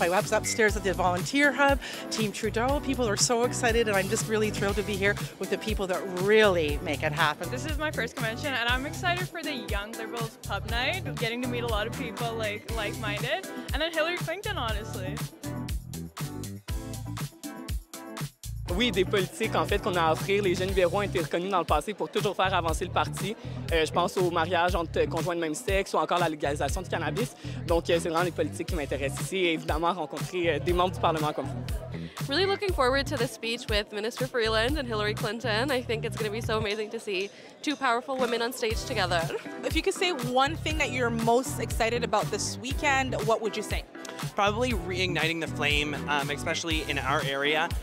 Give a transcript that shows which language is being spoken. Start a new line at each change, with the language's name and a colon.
English: I was upstairs at the volunteer hub, Team Trudeau. People are so excited, and I'm just really thrilled to be here with the people that really make it happen. This is my first convention, and I'm excited for the Young Liberals pub night, getting to meet a lot of people like-minded, and then Hillary Clinton, honestly.
French: Oui, des politiques en fait qu'on a à offrir. Les jeunes libéraux ont été reconnus dans le passé pour toujours faire avancer le parti. Je pense au mariage entre conjoints de même sexe ou encore la légalisation du cannabis. Donc, c'est vraiment des politiques qui m'intéressent ici et évidemment rencontrer des membres du Parlement comme vous.
English: Really looking forward to the speech with Minister Freeland and Hillary Clinton. I think it's going to be so amazing to see two powerful women on stage together. If you could say one thing that you're most excited about this weekend, what would you say? Probably reigniting the flame, especially in our area.